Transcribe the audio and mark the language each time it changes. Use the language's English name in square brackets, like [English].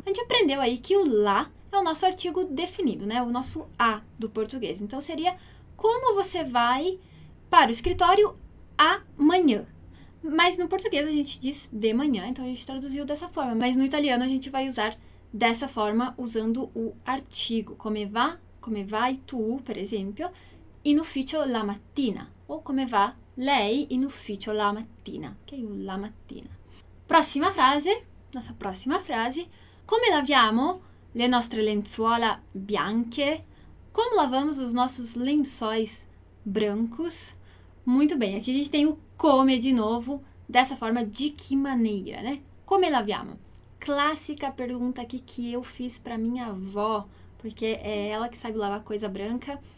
[Portuguese] A gente aprendeu aí que o la é o nosso artigo definido, né? O nosso a do português. Então seria como você vai para o escritório amanhã. Mas no português a gente diz de manhã, então a gente traduziu dessa forma. Mas no italiano a gente vai usar dessa forma, usando o artigo. [Italian] Come vai tu, per esempio, in ufficio la mattina. Ou come va lei in ufficio la mattina. Ok? La mattina. Prossima frase, nossa prossima frase. Come laviamo le nostre lenzuola bianche? [Portuguese] Como lavamos os nossos lençóis brancos? Muito bem, aqui a gente tem o come de novo, dessa forma, de que maneira, né? [Italian] Come laviamo? [Portuguese] Clássica pergunta aqui que eu fiz para minha avó, porque é ela que sabe lavar coisa branca.